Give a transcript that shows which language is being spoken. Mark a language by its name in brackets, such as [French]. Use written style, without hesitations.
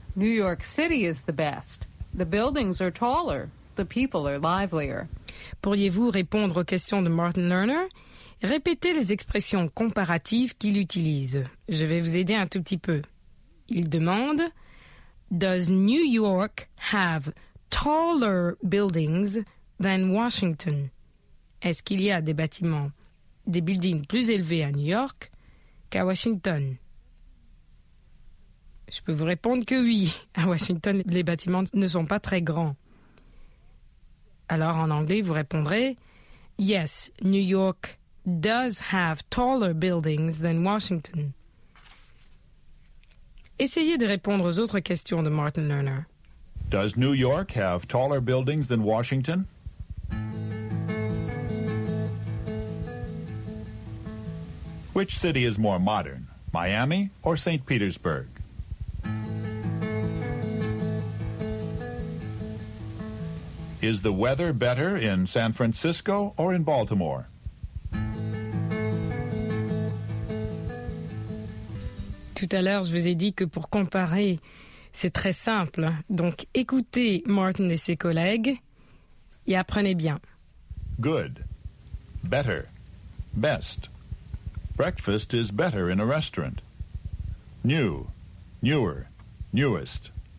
[English] New York City is the best. The buildings are taller. The people are livelier. [French] Pourriez-vous répondre aux questions de Martin Lerner? Répétez les expressions comparatives qu'il utilise. Je vais vous aider un tout petit peu. Il demande, [English] Does New York have taller buildings than Washington? [French] Est-ce qu'il y a des bâtiments, des buildings plus élevés à New York qu'à Washington? Je peux vous répondre que oui. À Washington, les bâtiments ne sont pas très grands. Alors, en anglais, vous répondrez, [English] Yes, New York does have taller buildings than Washington. [French] Essayez de répondre aux autres questions de Martin Lerner. [English] Does New York have taller buildings than Washington? Which city is more modern, Miami or St. Petersburg? Is the weather better in San Francisco or in Baltimore? [French] Tout à l'heure, je vous ai dit que pour comparer, c'est très simple. Donc, écoutez Martin et ses collègues et apprenez bien. [English] Good. Better. Best. Breakfast is better in a restaurant. New. Newer. Newest.